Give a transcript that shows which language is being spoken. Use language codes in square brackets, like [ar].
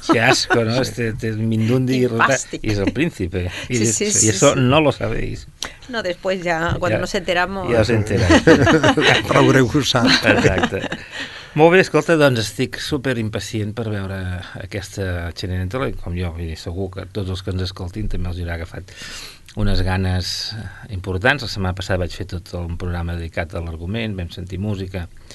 [es] que asco, no, este mindundi [ca] i és el príncep, i això no lo sabeu. [es] No, después ya, cuando nos enteramos... [ca] Ja us enterem. Però haureu usat. Exacte. Molt bé, escolta, doncs estic superimpacient per veure aquesta Cenerentola, com jo, segur que tots els que ens escoltin també els haurà agafat unes ganes importants. La setmana passada vaig fer tot un programa dedicat a l'argument, vam sentir música,